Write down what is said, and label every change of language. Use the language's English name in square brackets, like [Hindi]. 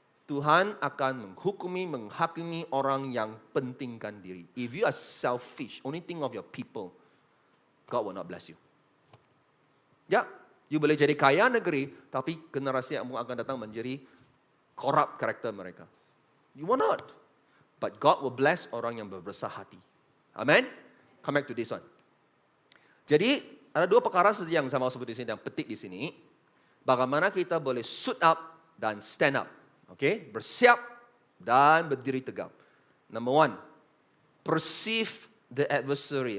[Malay] Tuhan akan menghukumi, menghakimi orang yang pentingkan diri. [English] If you are selfish, only think of your people, God will not bless you. [Malay] Ya, yeah, you boleh jadi kaya negeri, tapi generasi kamu akan datang menjadi korup karakter mereka. [English] You will not. But God will bless [Malay] orang yang berbesar hati. [English] Amen? Come back to this one. [Malay] Jadi, ada dua perkara saja yang saya mau sebut di sini, yang petik di sini. Bagaimana kita boleh [English] suit up [Malay] dan [English] stand up. [Malay] Okay? Bersiap dan berdiri tegak. [English] Number one, perceive the adversary.